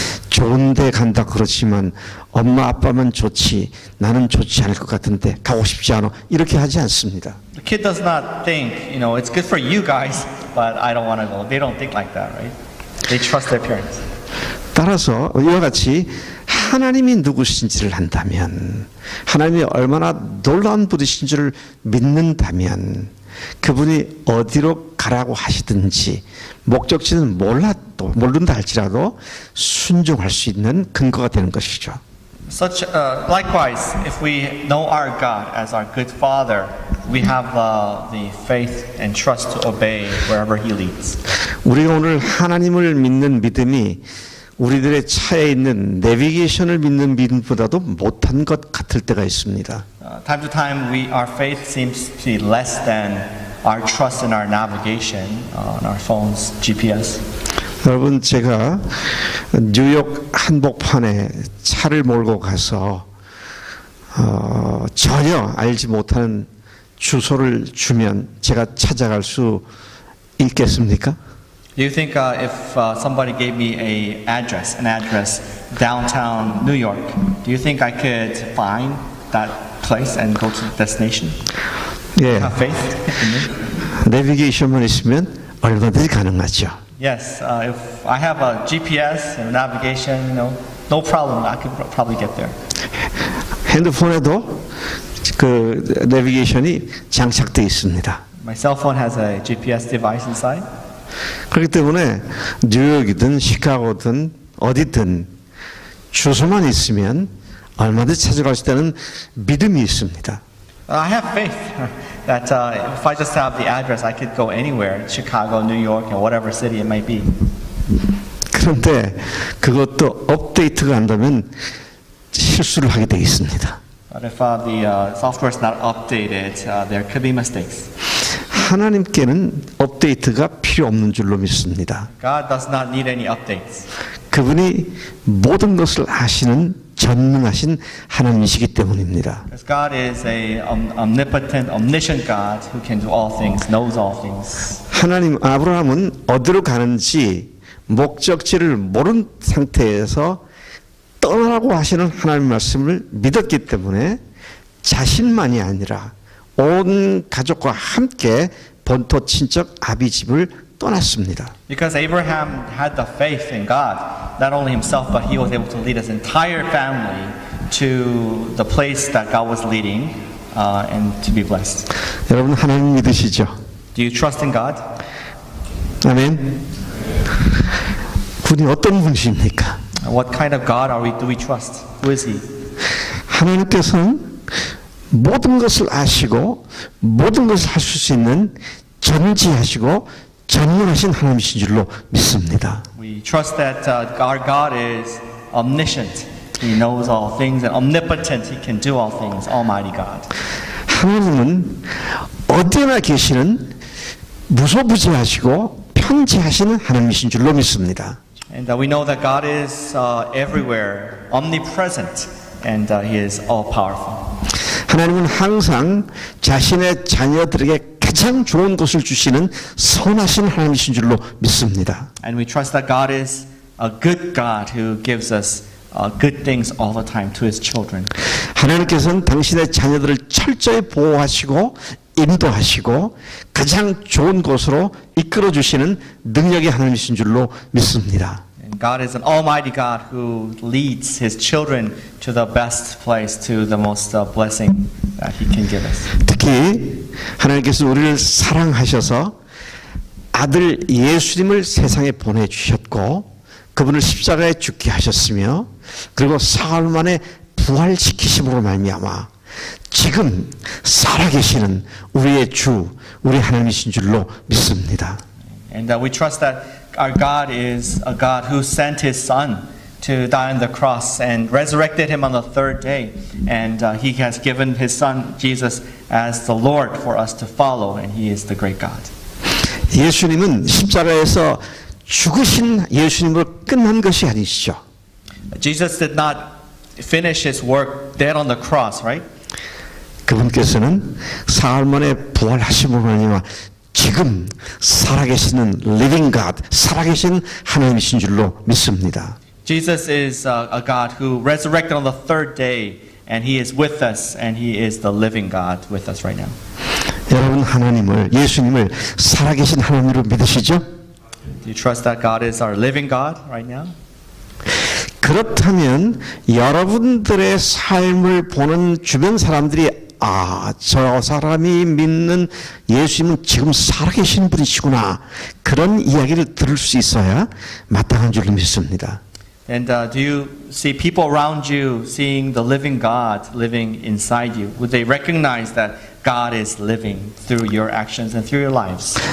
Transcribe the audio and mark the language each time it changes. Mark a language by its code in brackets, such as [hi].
[ko] 좋은 데 간다 그렇지만 엄마 아빠만 좋지 나는 좋지 않을 것 같은데 가고 싶지 않아 이렇게 하지 않습니다. [en] The kid does not think, you know, it's good for you guys, but I don't want to go. They don't think like that, right? They trust their parents. [ko] 따라서 이와 같이 하나님이 누구신지를 한다면 하나님이 얼마나 놀라운 분이신지를 믿는다면 그분이 어디로 가라고 하시든지 목적지는 몰라도 모른다 할지라도 순종할 수 있는 근거가 되는 것이죠. [en] Such likewise, if we know our God as our good Father, we have the faith and trust to obey wherever He leads. [ko] 우리가 오늘 하나님을 믿는 믿음이 우리들의 차에 있는 내비게이션을 믿는 믿음보다도 못한 것 같을 때가 있습니다. [en] Time to time, our faith seems to be less than our trust in our navigation on our phones, GPS. [ko] 여러분, 제가 뉴욕 한복판에 차를 몰고 가서 전혀 알지 못하는 주소를 주면 제가 찾아갈 수 있겠습니까? [en] Do you think if somebody gave me an address downtown New York, do you think I could find that place and go to the destination? Yeah. Have faith in me? [ko] Navigation만 있으면 얼마든지 가능하죠. [en] Yes, if I have a GPS and navigation, you know, no problem, I could probably get there. [ko] 핸드폰에도 그 내비게이션이 장착돼 있습니다. [en] My cell phone has a GPS device inside. [ko] 그렇기 때문에 뉴욕이든 시카고든 어디든 주소만 있으면 얼마든지 찾아갈 수 있다는 믿음이 있습니다. [en] I have faith that if I just have the address, I could go anywhere, Chicago, New York, or whatever city it might be. [ko] 그런데 그것도 업데이트가 안 되면 실수를 하게 되어 있습니다. [en] But if the software is not updated, there could be mistakes. [ko] 하나님께는 업데이트가 필요 없는 줄로 믿습니다. [en] God does not need any updates. [ko] 그분이 모든 것을 아시는 전능하신 하나님이시기 때문입니다. [en] Because God is a omnipotent, omniscient God who can do all things, knows all things. [ko] 하나님 아브라함은 어디로 가는지 목적지를 모른 상태에서 떠나라고 하시는 하나님 말씀을 믿었기 때문에 자신만이 아니라 온 가족과 함께 본토 친척 아비 집을 떠났습니다. [en] Because Abraham had the faith in God, not only himself, but he was able to lead his entire family to the place that God was leading, and to be blessed. [ko] 여러분 하나님 믿으시죠? [en] Do you trust in God? [ko] 아멘. 그분이 어떤 분이십니까? [en] What kind of God are we? Do we trust? Who is He? [ko] 하나님께서는 모든 것을 아시고 모든 것을 하실 수 있는 전지하시고 전능하신 하나님이신 줄로 믿습니다. [en] We trust that our God is omniscient. He knows all things and omnipotent. He can do all things. Almighty God. [ko] 하나님은 어디나 계시는 무소부지하시고 편지하시는 하나님이신 줄로 믿습니다. [en] And we know that God is everywhere, omnipresent, and He is all powerful. [ko] 하나님은 항상 자신의 자녀들에게 가장 좋은 것을 주시는 선하신 하나님이신 줄로 믿습니다. [en] And we trust that God is a good God who gives us good things all the time to His children. [ko] 하나님께서는 당신의 자녀들을 철저히 보호하시고 인도하시고 가장 좋은 것으로 이끌어 주시는 능력의 하나님이신 줄로 믿습니다. [en] God is an almighty God who leads His children to the best place, to the most blessing that He can give us. [ko] 특히 하나님께서 우리를 사랑하셔서 아들 예수님을 세상에 보내주셨고 그분을 십자가에 죽게 하셨으며 그리고 사흘 만에 부활시키심으로 말미암아 지금 살아계시는 우리의 주, 우리 하나님이신 줄로 믿습니다. [en] And that we trust that our God is a God who sent His Son to die on the cross and resurrected Him on the third day, and He has given His Son Jesus as the Lord for us to follow, and He is the great God. [ko] 예수님은 십자가에서 죽으신 예수님으로 끝난 것이 아니시죠. [en] Jesus did not finish his work dead on the cross, right? [ko] 그분께서는 사흘 만에 부활하심으로 지금 살아계시는 [en] living God, [ko] 살아계신 하나님이신 줄로 믿습니다. [en] Jesus is a God who resurrected on the third day, and he is with us, and he is the living God with us right now. [ko] 여러분 하나님을 예수님을 살아계신 하나님으로 믿으시죠? [en] Do you trust that God is our living God right now? [ko] 그렇다면 여러분들의 삶을 보는 주변 사람들이 아, 저 사람이 믿는 예수님은 지금 살아계신 분이시구나 그런 이야기를 들을 수 있어야 마땅한 줄로 믿습니다. [en] And do you see people around you seeing the living God living inside you? Would they recognize that God is living through your actions and through your lives?